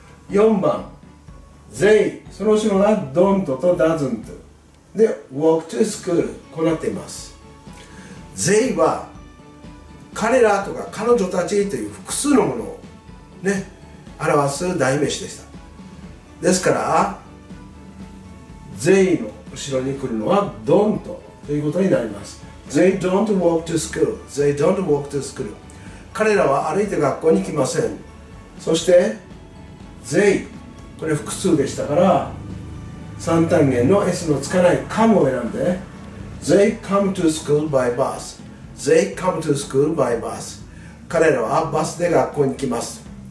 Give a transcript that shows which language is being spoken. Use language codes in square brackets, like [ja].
[ja] 4番、 they、 その後ろが don't と doesn't で walk to school、 こうなっています。 they は彼らとか彼女たちという複数のものを、ね、表す代名詞でした。ですから they の後ろに来るのは don't ということになります。 [en] they don't walk to school、 [ja] they don't walk to school、 彼らは歩いて学校に来ません。そして they、 これ複数でしたから三単元の S のつかない come を選んで [en] they come to school by bus、 [ja] They come to school by bus、 彼らはバスで学校に来ます。